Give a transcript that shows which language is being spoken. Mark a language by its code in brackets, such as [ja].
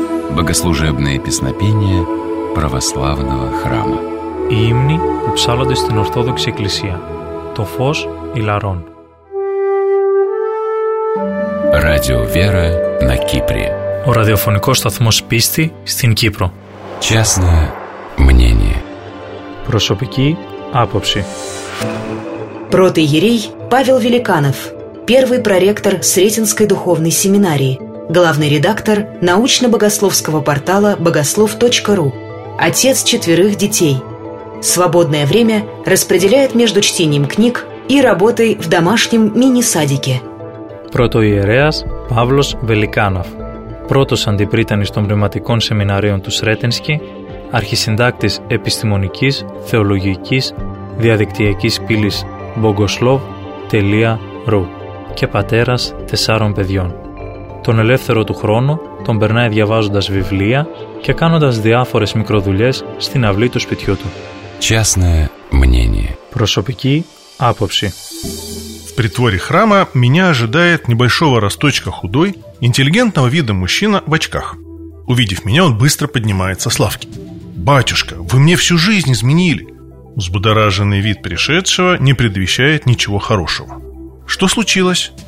[ru] Богослужебные песнопения православного храма. [el] Οι ύμνοι που ψάλλονται στην Ορθόδοξη Εκκλησία. Το φως Ιλαρών. [ru] Radio Vera на Кипре. [el] Ο ραδιοφωνικός σταθμός πίστη στην Κύπρο. [ru] Честное мнение. [el] Προσωπική άποψη. Πρώτη Ιερεί [ru] Павел Великанов. Первый проректор Сретенской духовной семинарии. Главный редактор научно-богословского портала богослов.ру. Отец четверых детей. Свободное время распределяет между чтением книг и работой в домашнем мини-садике. [el] Πρωτοϊερέας Παύλος Βελικάνοφ. Πρώτος αντιπρίτανης των πνευματικών σεμιναρίων του Σρέτενσκι, αρχισυντάκτης επιστημονικής, θεολογικής, διαδικτυακής πύλης bogoslov.ru και πατέρας τεσσάρων παιδιών. Τον ελεύθερο του χρόνο τον περνάει διαβάζοντας βιβλία και κάνοντας διάφορες μικροδουλειές στην αυλή του σπιτιού του. [ru] Частное мнение. [el] Προσωπική άποψη. [ru] В притворе храма меня ожидает небольшого росточка худой, интеллигентного вида мужчина в очках. Увидев меня, он быстро поднимается с лавки. «Батюшка, вы мне всю жизнь изменили!» Взбудораженный вид пришедшего не предвещает ничего хорошего. «Что случилось?